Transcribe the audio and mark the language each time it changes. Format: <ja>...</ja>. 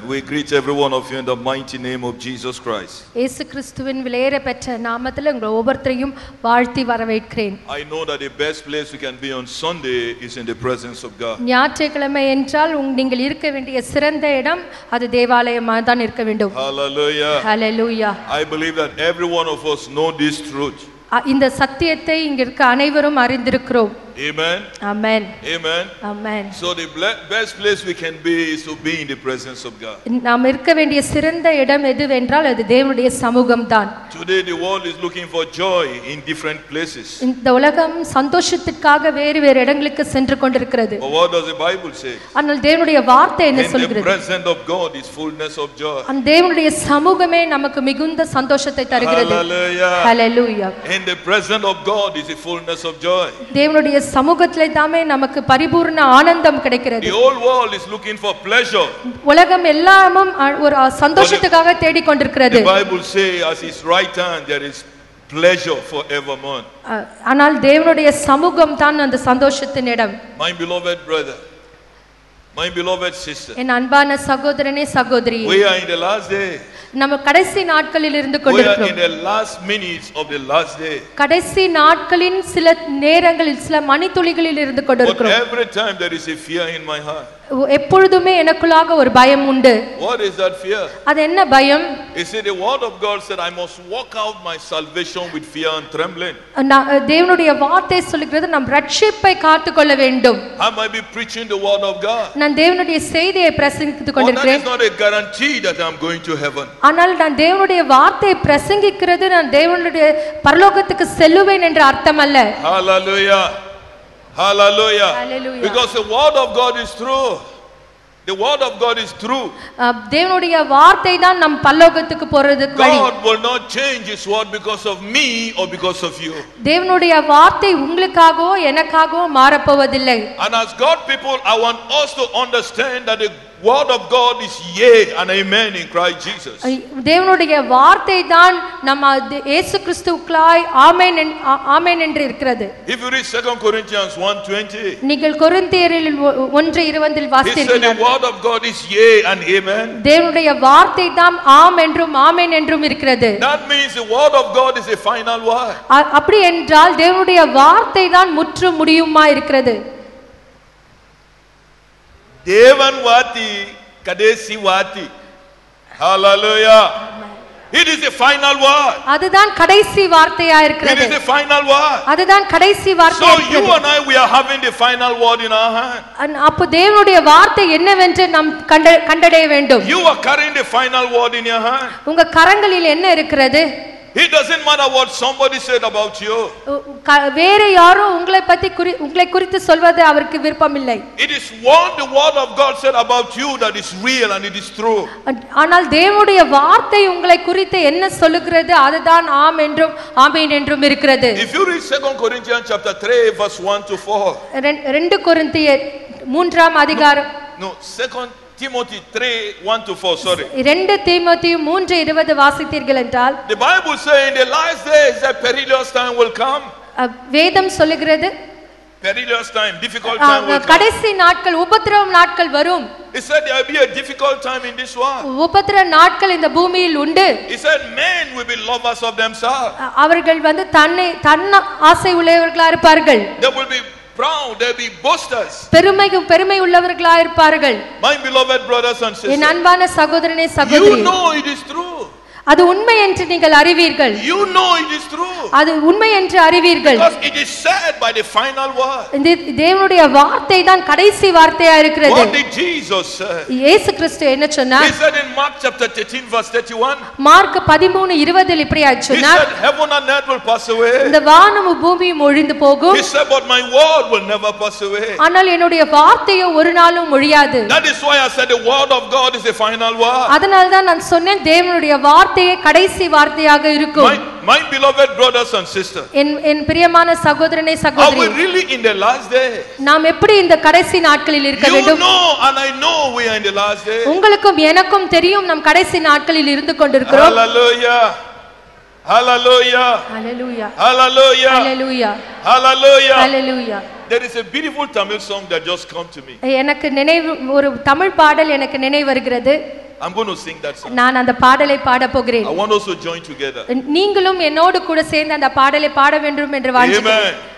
<en>We greet every one of you in the mighty name of Jesus Christ.</en> <ta>இயேசு கிறிஸ்துவின் விலையேற பெற்ற நாமத்தில் உங்களை ஒவ்வொருத்தரையும் வாழ்த்தி வரவேற்கிறேன்.</ta> <en>I know that the best place you can be on Sunday is in the presence of God.</en> <ta>ஞாயிற்றுக்கிழமை என்றால் நீங்கள் இருக்க வேண்டிய சிறந்த இடம் அது தேவாலயமாக தான் இருக்க வேண்டும்.</ta> <en>Hallelujah. Hallelujah. I believe that every one of us know this truth.</en> <ta>இந்த சத்தியத்தை இங்க இருக்க அனைவரும் அறிந்திருக்கிறோம்.</ta> <en>Amen. Amen. Amen. Amen. So the best place we can be is to be in the presence of God.</en> <ta>நாம் இருக்க வேண்டிய சிறந்த இடம் எது என்றால் அது தேவனுடைய சமூகம் தான்.</ta> <en>Today the world is looking for joy in different places.</en> <ta>இந்த உலகம் சந்தோஷத்துக்காக வேறு வேறு இடங்களுக்கு சென்று கொண்டிருக்கிறது.</ta> <en>What does the Bible say?</en> <ta>ஆனால் தேவனுடைய வார்த்தை என்ன சொல்கிறது?</ta> <en>The presence of God is fullness of joy.</en> <ta>அந்த தேவனுடைய சமூகமே நமக்கு மிகுந்த சந்தோஷத்தை தருகிறது.</ta> <en>Hallelujah. Hallelujah. In the presence of God is the fullness of joy.</en> <ta>தேவனுடைய சமூகத்திலே தாமே நமக்கு பரிபூர்ண ஆனந்தம் கிடைக்கிறது.</ta> <en>The whole world is looking for pleasure.</en> <ta>உலகம் எல்லாமும் ஒரு சந்தோஷத்துக்காக தேடி கொண்டிருக்கிறது.</ta> <en>The Bible say as his right hand there is pleasure forevermore.</en> <ta>ஆனால் தேவனுடைய சமூகம் தான் அந்த சந்தோஷத்தின் இடம்.</ta> <en>My beloved brother, my beloved sister,</en> <ta>என் அன்பான சகோதரனே சகோதரி,</ta> <en>we are in the last day.</en> <ta>நம்ம கடைசி நாட்களில் இருந்து கொண்டிருக்கிறோம்.</ta> <en>We are in the last minutes of the last day.</en> <ta>கடைசி நாட்களின் சில நேரங்களில் சில மணித்துளிகளில் இருந்து கொண்டிருக்கிறோம்.</ta> <en>Every time there is a fear in my heart.</en> <ta>எப்பொழுதுமே எனக்குள்ளாக ஒரு பயம் உண்டு.</ta> <en>What is that fear?</en> <ta>அது என்ன பயம்?</ta> <en>Is it the word of God said I must walk out my salvation with fear and trembling?</en> <ta>தேவனுடைய வார்த்தை சொல்கிறது நம் இரட்சிப்பை காத்துக்கொள்ள வேண்டும்.</ta> <en>I might be preaching the word of God.</en> <ta>நான் தேவனுடைய செய்தியை பிரசங்கித்துக் கொண்டிருக்கிறேன்.</ta> <en>That is not a guarantee that I'm going to heaven.</en> <ta>ஆனால் நான் தேவனுடைய வார்த்தை பிரசங்கிக்கிறது நான் தேவனுடைய பரலோகத்துக்கு செல்லுவேன் என்ற அர்த்தம் அல்ல.</ta> <en>Hallelujah. Hallelujah. Hallelujah. Because the word of God is true. The word of God is true.</en> <ta>தேவனுடைய வார்த்தை தான் நம் பரலோகத்துக்கு போறதுக்கு வழி.</ta> <en>God will not change his word because of me or because of you.</en> <ta>தேவனுடைய வார்த்தை உங்களுக்காகவோ எனக்காகவோ மாறப்போவதில்லை.</ta> <en>And as God people, I want us to understand that the word of God is yea and amen in Christ Jesus.</en> <ta>தேவனுடைய வார்த்தை தான் நம் இயேசு கிறிஸ்துவுக்காய் ஆமென் ஆமென் என்று இருக்கிறது.</ta> <en>If you read 2 Corinthians 1:20.</en> <ta>நீங்கள் கொரிந்தியரில் 1:20 இல் வாசித்தீர்கள்.</ta> <en>He said the word of God is yea and amen.</en> <ta>தேவனுடைய வார்த்தை தான் ஆமென்றும் ஆமென் என்றும் இருக்கிறது.</ta> <en>That means the word of God is a final word.</en> <ta>அப்படி என்றால் தேவனுடைய வார்த்தை தான் முற்று முடியுமா இருக்கிறது. தேவன் வார்த்தை கடைசி வார்த்தை. Hallelujah.</ta> <en>It is the final word.</en> <ta>அதுதான் கடைசி வார்த்தையா இருக்கிறது.</ta> <en>It is the final word.</en> <ta>அதுதான் கடைசி வார்த்தை.</ta> <en>So you and I, we are having the final word in our hand.</en> <ta>And அப்ப தேவனுடைய வார்த்தை என்னவென்று நாம் கண்டடைய வேண்டும்.</ta> <en>You are carrying the final word in your hand.</en> <ta>உங்க கரங்களில் என்ன இருக்கிறது?</ta> <en>It doesn't matter what somebody said about you.</en> <ta>வேற யாரோ உங்களை பத்தி உங்களை குறித்து சொல்வது அவருக்கு விருப்பம் இல்லை.</ta> <en>It is what the word of God said about you that is real and it is true.</en> <ta>ஆனால் தேவனுடைய வார்த்தை உங்களை குறித்து என்ன சொல்கிறது அதுதான் ஆம் என்றும் ஆமென் என்றும் இருக்கிறது.</ta> <en>If you read 2 Corinthians chapter 3 verse 1 to 4.</en> <ta>2 கொரிந்தியர் 3 அதிகாரம்.</ta> <en>No, 2 Timothy 3, 1 to 4, sorry.</en> <ta>2 Timothy 3, 20 வாசித்தீர்கள் என்றால்</ta> <en>The Bible says in the last days a perilous time will come.</en> <ta>வேதம் சொல்லுகிறது</ta> <en>Perilous time, difficult time will come.</en> <ta>கடைசி நாட்கள் உபத்திரவம் நாட்கள் வரும்.</ta> <en>He said there will be a difficult time in this world.</en> <ta>உபத்திர நாட்கள் இந்த பூமியில் உண்டு.</ta> <en>He said men will be lovers of themselves.</en> <ta>அவர்கள் வந்து தன்னை ஆசை உள்ளவர்களாக இருப்பார்கள்.</ta> <en>They will be proud, they be boasters.</en> <ta>பெருமைக்கும் பெருமை உள்ளவர்களாய் இருப்பார்கள்.</ta> <en>My beloved brothers and sisters.</en> <ta>என் அன்பான சகோதரனே சகோதரி.</ta> <en>You know it is true.</en> <ta>அது உண்மை என்று நீங்கள் அறிவீர்கள்.</ta> <en>You know it is true.</en> <ta>அது உண்மை என்று அறிவீர்கள்.</ta> <en>Because it is said by the final word.</en> <ta>தேவனுடைய வார்த்தை தான் கடைசி வார்த்தையா இருக்கிறது.</ta> <en>What did Jesus say?</en> <ta>இயேசு கிறிஸ்து என்ன சொன்னார்?</ta> <en>He said in Mark chapter 13 verse 31.</en> <ta>Mark 13:20 இப்படி ஆயிச்சுனார்.</ta> <en>He said heaven and earth will pass away.</en> <ta>இந்த வானமும் பூமியும் ஒழிந்து போகும்.</ta> <en>He said but my word will never pass away.</en> <ta>ஆனால் என்னுடைய வார்த்தையோ ஒரு நாளும் ஒழியாது.</ta> <en>That is why I said the word of God is the final word.</en> <ta>அதனால தான் நான் சொன்னேன் தேவனுடைய வார்த்தை கடைசி வார்த்தையாக இருக்கும்.</ta> <en>My beloved brothers and sisters.</en> <ta>என் பிரியமான சகோதரனே சகோதரி.</ta> <en>Are we really in the last day?</en> <ta>நாம் எப்படி இந்த கடைசி நாட்களில் இருக்க வேண்டும்?</ta> <en>You know and I know we are in the last day.</en> <ta>உங்களுக்கும் எனக்கும் தெரியும் நாம் கடைசி நாட்களில் இருந்து கொண்டிருக்கிறோம்.</ta> <en>Hallelujah. Hallelujah. Hallelujah. Hallelujah. Hallelujah. Hallelujah. Hallelujah. There is a beautiful Tamil song that just come to me.</en> <ta>எனக்கு நினைவு ஒரு தமிழ் பாடல் எனக்கு நினைவு வருகிறது.</ta> <en>I'm going to sing that song.</en> <ta>நான் அந்த பாடலை பாட போகிறேன்.</ta> <en>I want us to join together.</en> <ta>நீங்களும் என்னோடு கூட சேர்ந்து அந்த பாடலை பாட வேண்டும் என்று வாழ்த்துகிறேன்.</ta>